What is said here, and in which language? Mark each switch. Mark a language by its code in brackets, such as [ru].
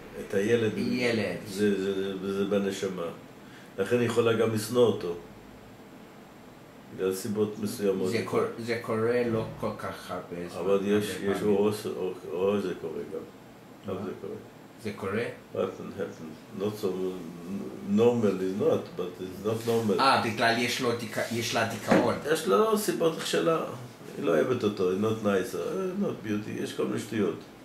[he] את הילד. ילד. זה בנשמה. לכן היא יכולה גם לסנוע אותו. לסיבות מסוימות. זה קורה לא כל כך הרבה. אבל יש אורס, אורס זה קורה גם. זה קורה? [en] It can happen. Not so normally not, but it's not normal. [he] אה, בגלל יש לה דיכאון. יש לה סיבות שלה. היא לא אוהבת אותו, היא [en] not nice, not beauty, [he] יש כל מיני שטויות.